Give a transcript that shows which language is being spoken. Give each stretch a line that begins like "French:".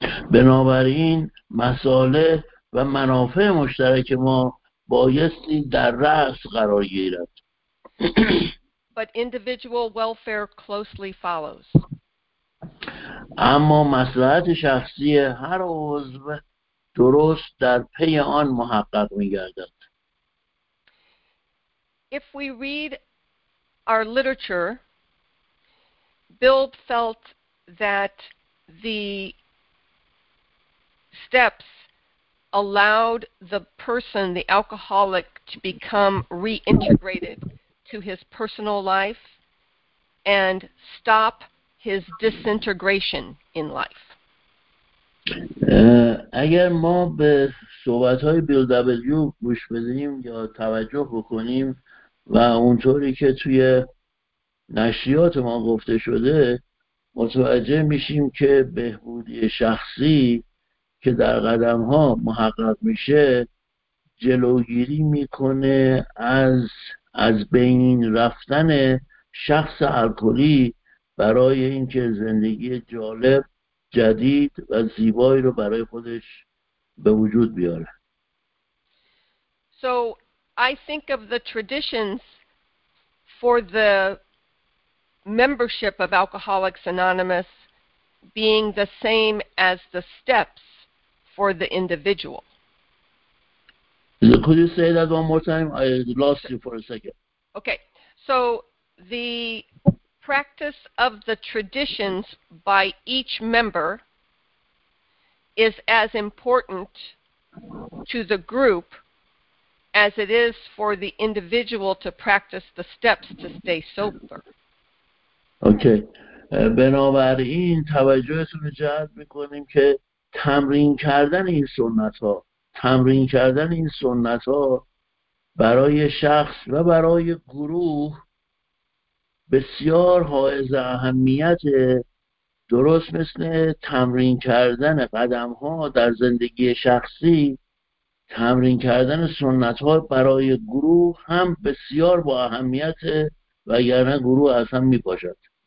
Persian: بنابراین مصالح و منافع مشترک ما بایستی در رأس قرار گیرد.
English: But individual welfare closely follows.
Persian: اما مصلحت شخصی هر عضو درست در پی آن محقق می‌گردد.
English: If we read our literature, Bill felt that the steps allowed the person, the alcoholic, to become reintegrated to his personal life and stop his disintegration in life.
Persian: اگر ما به صحبت‌های بیل دبلیو گوش بدیم یا توجه بکنیم و اونطوری که توی نشریات ما گفته شده، متوجه میشیم که بهبودی شخصی که در قدم‌ها محقق میشه جلوگیری میکنه از بین رفتن شخص الکلی برای اینکه زندگی جالب، جدید و زیبایی رو برای خودش به وجود بیاره.
English: So I think of the traditions for the membership of Alcoholics Anonymous being the same as the steps for the individual. Could you say that one more time? I lost you for a second. Okay. So the practice of the traditions by each member is as important to the group as it is for the individual to practice the steps to stay sober. Okay.
Persian: بنابراین توجهتون رو جلب می‌کنیم که تمرین کردن این سنت‌ها برای شخص و برای گروه بسیار حائز اهمیت، درست مثل تمرین کردن قدم ها در زندگی شخصی، تمرین کردن سنت ها برای گروه هم بسیار با اهمیت، وگرنه گروه اصلا می باشد.